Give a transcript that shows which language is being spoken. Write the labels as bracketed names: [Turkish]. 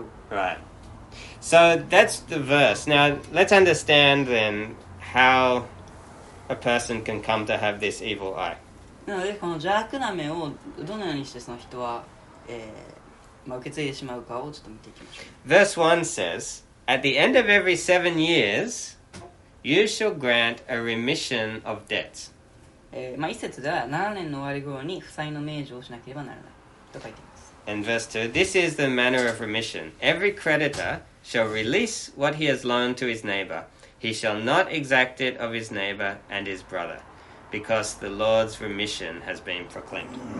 [English] Right. So that's the verse. Now, let's understand then how a person can come to have this evil eye. [Japanese] なので、この邪悪な目をどのようにしてその人は、受け継いでしまうかをちょっと見ていきましょう。 [English] Verse 1 says, At the end of every 7 years, you shall grant a remission of debts. [Japanese] まあ、一節では7年の終わり頃に負債の免除をしなければならないと書いています。 [English] And verse 2, this is the manner of remission. Every creditor shall release what he has loaned to his neighbor. He shall not exact it of his neighbor and his brother, because the Lord's remission has been proclaimed.